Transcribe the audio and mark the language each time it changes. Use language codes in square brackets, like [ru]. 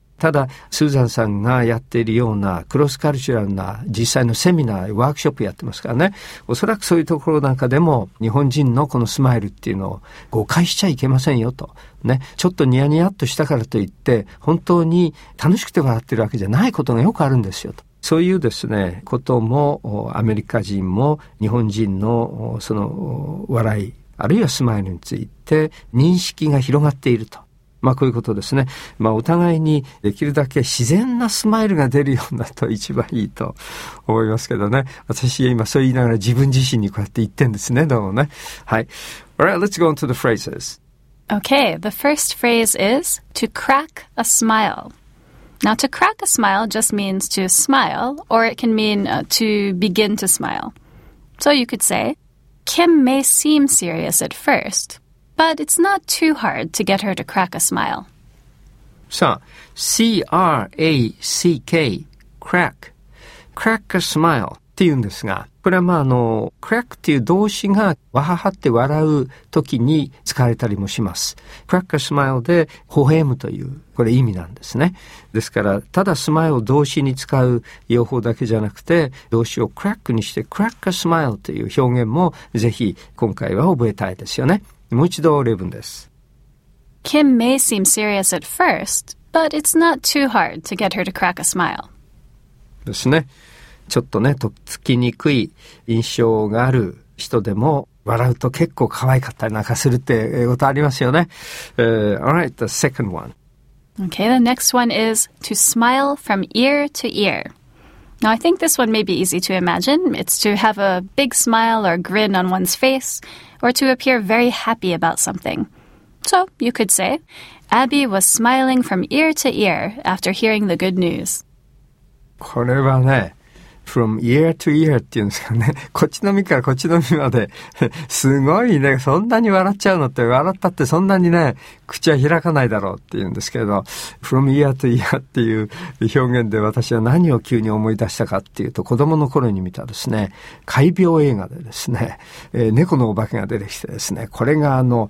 [ja] ただスーザンさんがやっているようなクロスカルチュラルな実際のセミナー、ワークショップやってますからね、おそらくそういうところなんかでも日本人のこのスマイルっていうのを誤解しちゃいけませんよとね、ちょっとニヤニヤっとしたからといって本当に楽しくて笑ってるわけじゃないことがよくあるんですよと、そういうですね、こともアメリカ人も日本人のその笑い、あるいはスマイルについて認識が広がっていると、まあこういうことですね。まあお互いにできるだけ自然なスマイルが出るようになると一番いいと思いますけどね。私今そう言いながら自分自身にこうやって言ってんですね。どうもね。はい。 [en] Alright, let's go on to the phrases. Okay, the first phrase is to crack a smile. Now to crack a smile just means to smile, or it can mean to begin to smile. So you could say, Kim may seem serious at first. But it's not too hard to get her to crack a smile. [ja] さあ、 [en] C-R-A-C-K, crack. Crack a smile [ja] っていうんですが、これはまあ crack っていう動詞がわははって笑う時に使われたりもします。 [en] Crack a smile [ja] で微笑むという、これ意味なんですね。ですから、ただ smile を動詞に使う用法だけじゃなくて、動詞を crack にして [en] crack a smile [ja] という表現もぜひ今回は覚えたいですよね。もう一度例文です。 [en] Kim may seem serious at first, but it's not too hard to get her to crack a smile. [ja] ですね。ちょっとね、とっつきにくい印象がある人でも、笑うと結構可愛かったりなんかするってことありますよね。 [en] Alright, the second one. Okay, the next one is to smile from ear to ear. Now, I think this one may be easy to imagine. It's to have a big smile or grin on one's face,or to appear very happy about something. So, you could say, Abby was smiling from ear to ear after hearing the good news. [ja] これはね、 [en] from ear to ear [ja] っていうんですかね、こっちの耳からこっちの耳まで、すごいね、そんなに笑っちゃうのって、笑ったってそんなにね、口は開かないだろうっていうんですけど、from ear to ear っていう表現で私は何を急に思い出したかっていうと、子供の頃に見たですね、怪病映画でですね、猫のお化けが出てきてですね、これが